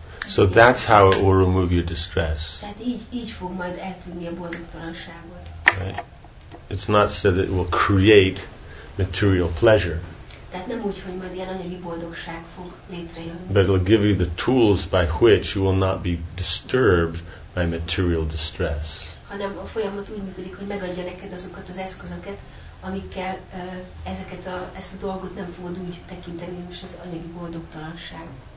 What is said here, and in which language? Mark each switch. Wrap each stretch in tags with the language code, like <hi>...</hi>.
<en>So that's how it will remove your distress.</en> <hu>Tehát így fog majd eltűnni a boldogtalanságot.</hu> <en>Right. It's not said that it will create material pleasure.</en> <hu>Tehát nem úgy, hogy majd ilyen anyagi boldogság fog létrejönni.</hu> <en>But it'll give you the tools by which you will not be disturbed by material distress.</en> <hu>Hanem a folyamat úgy működik, hogy megadja neked azokat az eszközöket, amikkel ezt a dolgot nem fogod úgy tekinteni, hogy most az anyagi boldogtalanság.</hu>